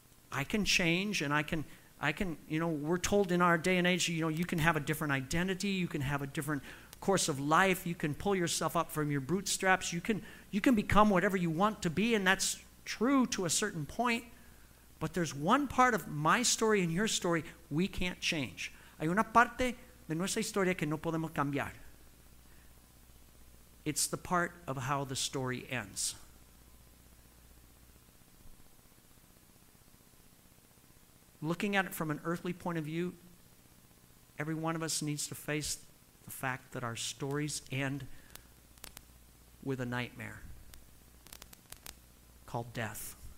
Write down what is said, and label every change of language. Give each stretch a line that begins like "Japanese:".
English: I can change and I can, you know, we're told in our day and age, you know, you can have a different identity, you can have a different course of life, you can pull yourself up from your bootstraps, you can become whatever you want to be, and that's true to a certain point. But there's one part of my story and your story we can't change.
Spanish: Hay una parte de nuestra historia que no podemos cambiar.
English: It's the part of how the story ends. Looking at it from an earthly point of view, every one of us needs to face the fact that our stories end with a nightmare called death.